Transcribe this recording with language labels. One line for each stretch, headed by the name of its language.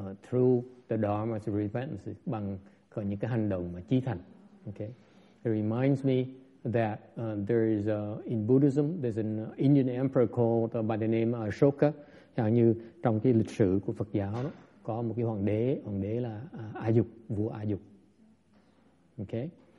English: Through the Dharma of repentance,
Vietnamese: bằng những cái hành động mà chí thành.
English: Okay. It reminds me that there is in Buddhism there's an Indian emperor called by the name Ashoka.
Vietnamese: Chẳng như trong cái lịch sử của Phật giáo đó, có một cái hoàng đế là Ajuk, vua Ajuk. Okay.